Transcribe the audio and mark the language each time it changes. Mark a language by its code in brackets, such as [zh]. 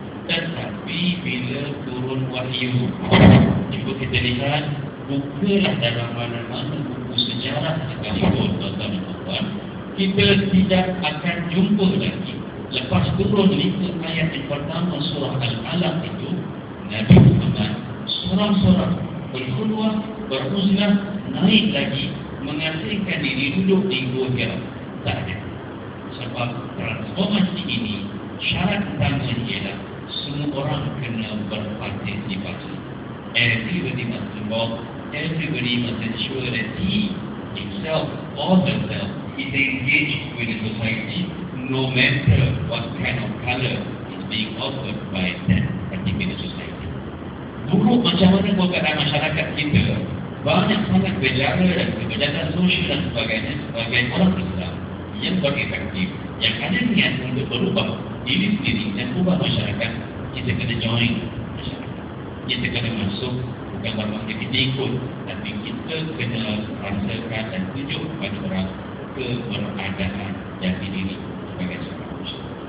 [ms] Tetapi bila turun wahyu, cuba kita lihat, bukalah dalam mana-mana buku sejarah sekalipun, tuan-tuan dan puan-puan, kita tidak akan jumpa lagi lepas turun lima ayat yang pertama surah Al-Alaq itu, Nabi Muhammad seorang-seorang berkhulwah, beruzlah, naik lagi, mengasingkan diri duduk di gua Hira. Tak ada. Sebab transformasi ini, syarat utama ialah semua orang kena berpartisipasi. [en] Everybody must involve, everybody must ensure that he, himself or herself, is engaged with the society, no matter what kind of color is being offered by that particular society. [ms] Buruk macam mana pun keadaan masyarakat kita, banyak sangat bejara dan kebejaran sosial dan sebagainya sebagai orang Islam yang berefektif, yang ada niat untuk berubah diri sendiri dan ubah masyarakat, kita kena join. Kita kena masuk, bukan bermakna kita ikut, tapi kita kena rasakan dan tunjuk kepada orang keberadaan jati diri sebagai seorang muslim.